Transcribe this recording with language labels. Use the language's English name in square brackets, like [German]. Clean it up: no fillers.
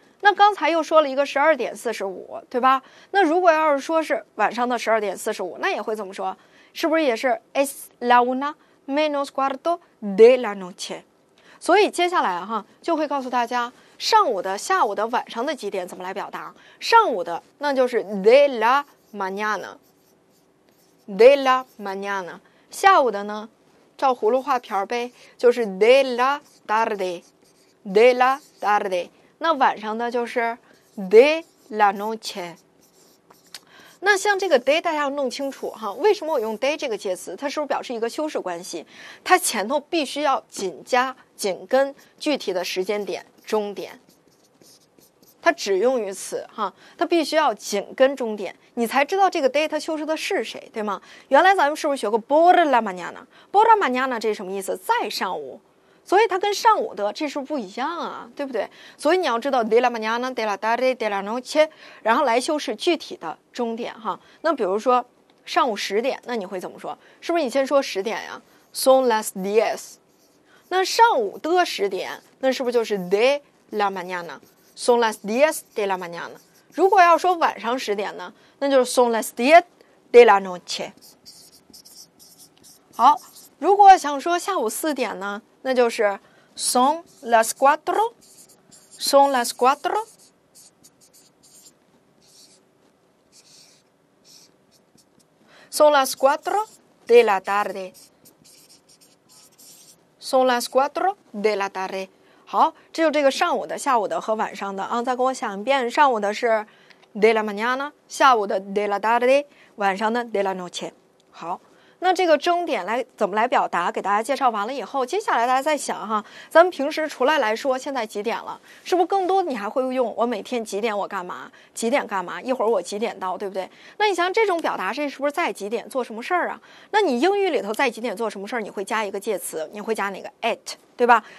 [Chinese] 那刚才又说了一个12点45对吧，那如果要是说是晚上的12点45，那也会怎么说，是不是也是 [Spanish] es la una menos cuarto de la noche。 [Chinese] 所以接下来哈，就会告诉大家上午的、下午的、晚上的几点怎么来表达。上午的那就是 [Spanish] de la mañana， de la mañana。 [Chinese] 下午的呢，照葫芦画瓢呗，就是 [Spanish] de la tarde， de la tarde。 [Chinese] 那晚上的就是 [Spanish] de la noche。 [Chinese] 那像这个 day 大家要弄清楚哈，为什么我用 day 这个介词，它是不是表示一个修饰关系，它前头必须要紧加紧跟具体的时间点终点，它只用于此哈，它必须要紧跟终点，你才知道这个 day 它修饰的是谁对吗。原来咱们是不是学过 [Spanish] por la mañana， por la mañana [Chinese] 这是什么意思，在上午，所以它跟上午的这是不一样啊，对不对？所以你要知道 [Spanish] de la mañana, de la tarde, de la noche， [Chinese] 然后来修饰具体的终点哈。那比如说上午十点，那你会怎么说？是不是你先说十点呀 ？ [Spanish] Son las diez。 [Chinese] 那上午的十点，那是不是就是 [Spanish] de la mañana? Son las diez de la mañana。 [Chinese] 如果要说晚上十点呢，那就是 [Spanish] son las diez de la noche。 [Chinese] 好，如果想说下午四点呢？那就是 [Spanish] son las cuatro， son las cuatro， son las cuatro de la tarde， [Chinese] son las cuatro de la tarde。好，这就这个上午的、下午的和晚上的啊，再给我想一遍。上午的是 [Spanish] de la mañana， [Chinese] 下午的 [Spanish] de la tarde， [Chinese] 晚上的 [Spanish] de la noche。 [Chinese] 好，那这个钟点来怎么来表达？给大家介绍完了以后，接下来大家再想哈，咱们平时出来来说现在几点了，是不是更多你还会用我每天几点我干嘛，几点干嘛，一会儿我几点到，对不对？那你像这种表达是不是在几点做什么事儿啊？那你英语里头在几点做什么事儿，你会加一个介词，你会加哪个 at， 对吧？